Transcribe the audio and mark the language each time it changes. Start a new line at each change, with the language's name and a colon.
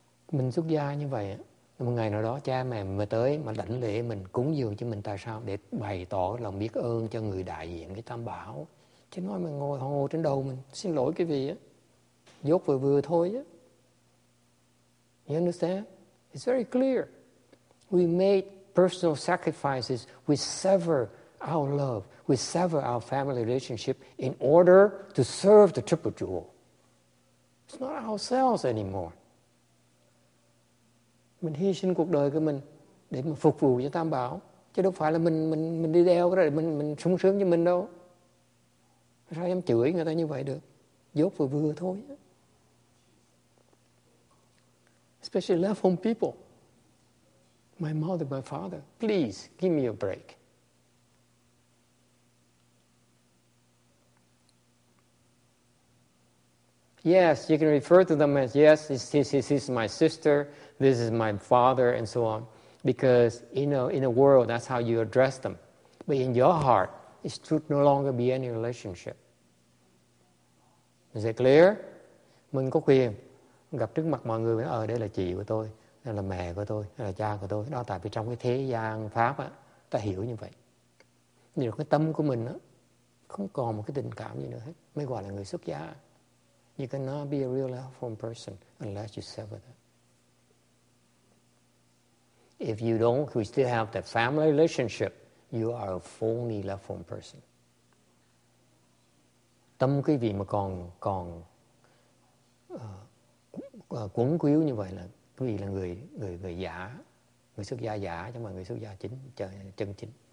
Vietnamese: Mình xuất gia như vậy, một ngày nào đó cha mẹ mà tới mà đảnh lễ mình, cúng dường cho mình, tại sao? Để bày tỏ lòng biết ơn cho người đại diện cái Tam Bảo. Chứ nói mà ngồi hồ trên đầu mình, xin lỗi cái vị á, dốt vừa vừa thôi á.
English: You understand? It's very clear. We made personal sacrifices, we sever our love, we sever our family relationship in order to serve the Triple Jewel. It's not ourselves anymore.
Vietnamese: Mình hy sinh cuộc đời của mình để mà phục vụ cho Tam Bảo. Chứ đâu phải là mình đi đeo cái đó để mình sung sướng cho mình đâu. Sao em chửi người ta như vậy được? Dốt vừa vừa thôi.
English: Especially left home people. My mother, my father, please give me a break. Yes, you can refer to them as, yes, this is my sister, this is my father, and so on. Because, you know, in a world, that's how you address them. But in your heart, it should no longer be any relationship. Is it clear?
Vietnamese: Mình có quyền gặp trước mặt mọi người, ờ, đây là chị của tôi, đây là mẹ của tôi, đây là cha của tôi. Đó, tại vì trong cái thế gian Pháp, á, ta hiểu như vậy. Nhưng cái tâm của mình, á, không còn một cái tình cảm gì nữa hết. Mới gọi là người xuất gia.
English: You cannot be a real helpful person unless you sever that. If you don't, we still have that family relationship, you are a phony helpful person.
Vietnamese: Tâm quý vị mà còn quấn quýu như vậy là quý vị là người giả, người xuất gia giả chứ mà người xuất gia chính, chân chính.